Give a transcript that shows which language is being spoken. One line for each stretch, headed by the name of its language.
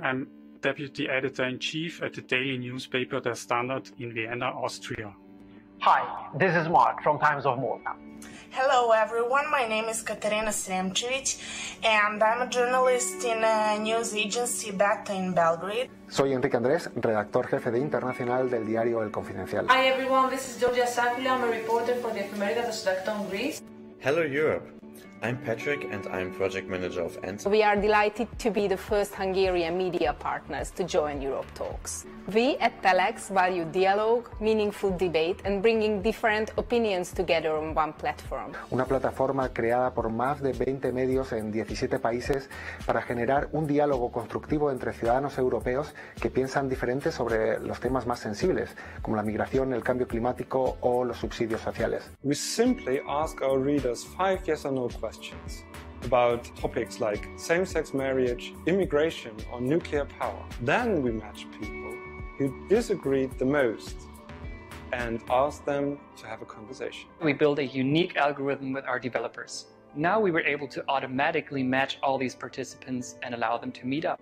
English: I'm deputy editor-in-chief at the daily newspaper Der Standard in Vienna, Austria. Hi, this is Mark from Times of Malta. Hello, everyone. My name is Katerina Sremčević, and I'm a journalist in a news agency Beta in Belgrade.
Spanish: Soy Enrique Andrés, redactor jefe de Internacional del diario El Confidencial.
English: Hi, everyone. This is Georgia Sakula. I'm a reporter for the Ephemerida Tessodacton, Greece. Hello, Europe. I'm Patrick, and I'm project manager of ENTA. We are delighted to be the first Hungarian media partners to join Europe Talks. We at Telex value dialogue, meaningful debate, and bringing different opinions together on one platform.
Spanish: Una plataforma creada por más de 20 medios en 17 países para generar un diálogo constructivo entre ciudadanos europeos que piensan diferente sobre los temas más sensibles, como la migración, el cambio climático o los subsidios sociales.
English: We simply ask our readers 5 yes or no questions about topics like same-sex marriage, immigration, or nuclear power. Then we match people who disagreed the most and ask them to have a conversation. We build a unique algorithm with our developers. Now we were able to automatically match all these participants and allow them to meet up.